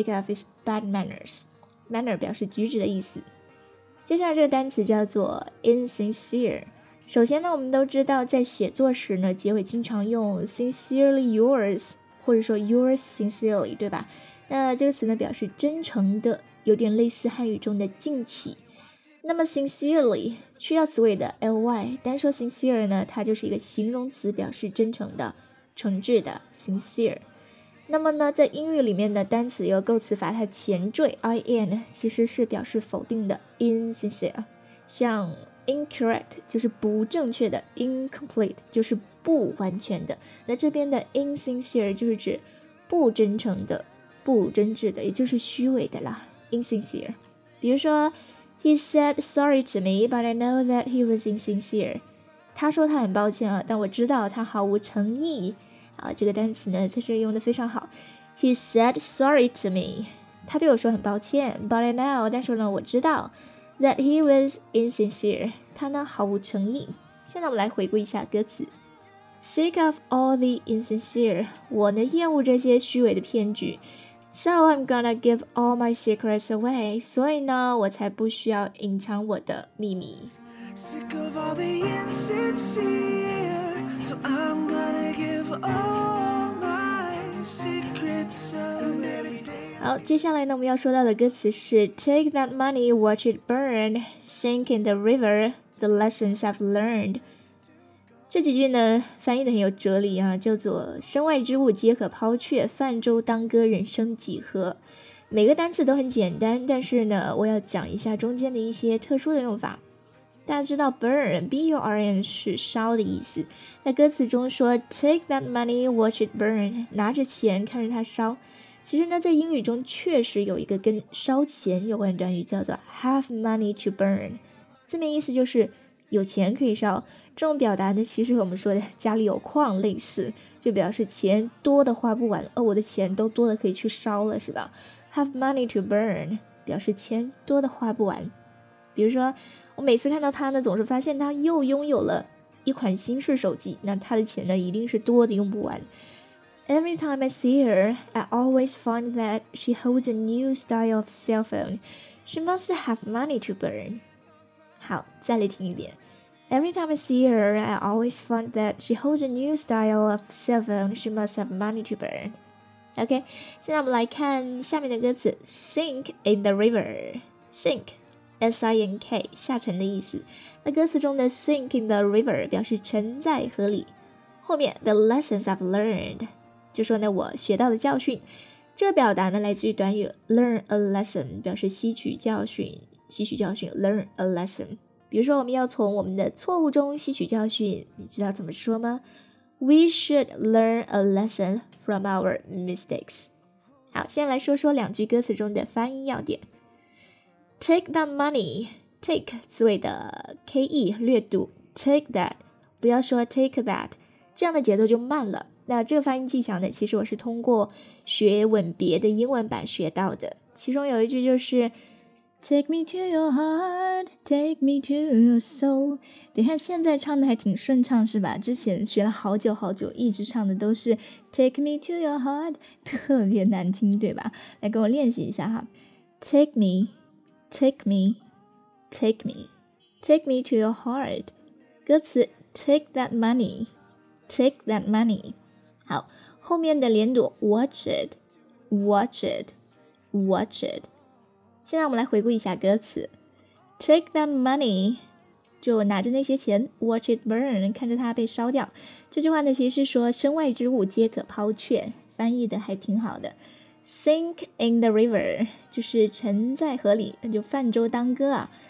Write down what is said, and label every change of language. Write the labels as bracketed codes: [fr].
[en] I am sick of his bad manners， manner [zh] 表示举止的意思。接下来这个单词叫做 insincere， 首先呢我们都知道在写作时呢结尾经常用 [en] sincerely yours， [zh] 或者说 [en] yours sincerely， [zh] 对吧，那这个词呢表示真诚的，有点类似汉语中的敬起。那么 sincerely 去掉词尾的 ly， 单说 sincere 呢它就是一个形容词，表示真诚的，诚挚的 sincere。那么呢在英语里面的单词有构词法，它前缀 in 其实是表示否定的 insincere， 像 incorrect 就是不正确的， incomplete 就是不完全的，那这边的 insincere 就是指不真诚的，不真挚的，也就是虚伪的啦，insincere。 [en] 比如说 He said sorry to me but I know that he was insincere， [zh] 他说他很抱歉啊，但我知道他毫无诚意。好，这个单词呢在这里用得非常好， [en] He said sorry to me， [zh] 他对我说很抱歉， [en] but I know， [zh] 但是呢我知道， [en] that he was insincere， [zh] 他呢毫无诚意。现在我们来回顾一下歌词。 [en] Sick of all the insincere， [zh] 我呢厌恶这些虚伪的骗局。 [en] So I'm gonna give all my secrets away， [zh] 所以呢我才不需要隐藏我的秘密。 [en] Sick of all the insincere， so I'm gonna give all my secrets away。 [zh] 好，接下来呢我们要说到的歌词是 [en] Take that money, watch it burn, sink in the river, the lessons I've learned。 [zh] 这几句呢翻译的很有哲理啊，叫做身外之物皆可抛却，泛舟当歌，人生几何。每个单词都很简单，但是呢我要讲一下中间的一些特殊的用法。大家知道 burn， B-U-R-N 是烧的意思，在歌词中说 [en] take that money, watch it burn， [zh] 拿着钱看着它烧。其实呢在英语中确实有一个跟烧钱有关的短语叫做 [en] have money to burn， [zh] 字面意思就是有钱可以烧，这种表达呢其实和我们说的家里有矿类似，就表示钱多的花不完，我的钱都多的可以去烧了是吧。 [en] Have money to burn [zh] 表示钱多的花不完，比如说我每次看到他呢总是发现他又拥有了一款新式手机，那他的钱呢一定是多的用不完。 [en] Every time I see her I always find that she holds a new style of cell phone, she must have money to burn。 [zh] 好，再来听一遍。 [en] Every time I see her, I always find that she holds a new style of cell phone, she must have money to burn. OK, [zh] 现在我们来看下面的歌词 [en] Sink in the river. [zh] Sink, S-I-N-K, 下沉的意思。那歌词中的 [en] sink in the river [zh] 表示沉在河里，后面 [en] the lessons I've learned [zh] 就说呢我学到的教训。这个表达呢来自于短语 [en] learn a lesson， [zh] 表示吸取教训，吸取教训 learn a lesson。比如说我们要从我们的错误中吸取教训，你知道怎么说吗？ [en] We should learn a lesson from our mistakes。 [zh] 好，先来说说两句歌词中的发音要点。 [en] Take that money， Take 字尾的 K-E 略读 Take that， [zh] 不要说 [en] take that， [zh] 这样的节奏就慢了。那这个发音技巧呢，其实我是通过学吻别的英文版学到的，其中有一句就是 [en] Take me to your heart, take me to your soul。 [zh] 你看现在唱的还挺顺畅是吧，之前学了好久好久一直唱的都是 [en] Take me to your heart, [zh] 特别难听对吧，来跟我练习一下哈。 [en] Take me, take me, take me, take me to your heart。歌词 Take that money,Take that money. 好，后面的连读 Watch it, watch it, watch it. [zh] 现在我们来回顾一下歌词。 [en] Take that money, [zh] 就拿着那些钱， [en] Watch it burn, [zh] 看着它被烧掉。这句话呢，其实是说身外之物皆可抛却，翻译的还挺好的。 [en] Sink in the river, [zh] 就是沉在河里，那就泛舟当歌啊。